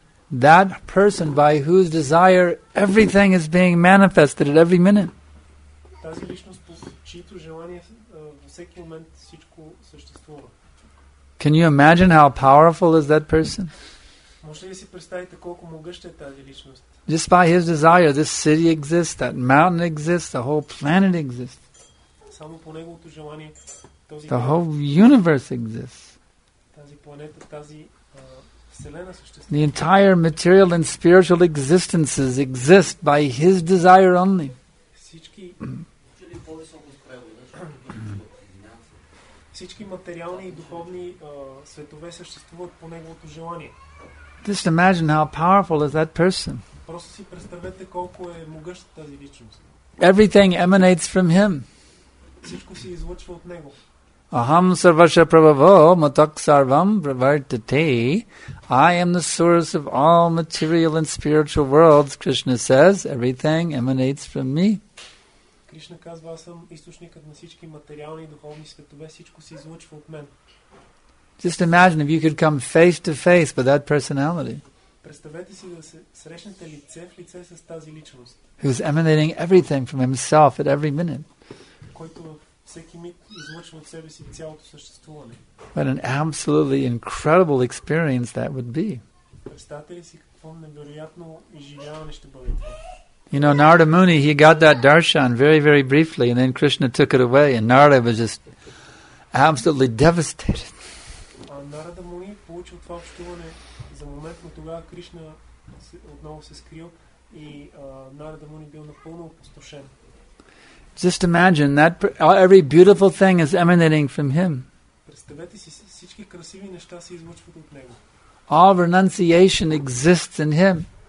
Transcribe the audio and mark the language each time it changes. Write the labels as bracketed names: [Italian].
[English] That person by whose desire everything is being manifested at every minute. [Bulgarian] тази личност, по чието желание във всеки момент всичко съществува. [English] Can you imagine how powerful is that person? [Bulgarian] Може ли си представите колко могъща е тази личност? [English] Just by his desire, this city exists, that mountain exists, the whole planet exists. [Bulgarian] Само по неговото желание този [English] The whole universe exists. [Bulgarian] Тази планета, тази вселена съществува. [English] The entire material and spiritual existences exist by his desire only. [Bulgarian] Всички Всички материални и духовни светове съществуват по неговото желание. [English] Just imagine how powerful is that person. [Bulgarian] Просто си представете колко е могъща тази личност. [English] Everything emanates from him. [Bulgarian] Всичко се излъчва от него. [Sanskrit] Aham sarvasya prabhavo matak sarvam pravartate. [English] I am the source of all material and spiritual worlds, Krishna says. Everything emanates from me. [Bulgarian] Кришна казва, аз съм източникът на всички материални и духовни светове, всичко се излъчва от мен. [English] Just imagine if you could come face to face with that personality. [Bulgarian] Представете си да се срещнете лице в лице с тази личност. [English] Who's emanating everything from himself at every minute. [Bulgarian] Който всеки миг излъчва от себе си цялото съществуване. [English] What an absolutely incredible experience that would be. [Bulgarian] Представете ли си какво невероятно изживяване ще бъде това? [English] You know, Narada Muni, he got that darshan very, very briefly, and then Krishna took it away, and Narada was just absolutely devastated. [Bulgarian] Narada Muni получил това общуване за момент, но тогава Кришна отново се скрил и Narada Muni бил напълно опустошен. [English] Just imagine that every beautiful thing is emanating from him. [Bulgarian] Представете си, всички красиви неща се излъчват от него. [English] All renunciation exists in him.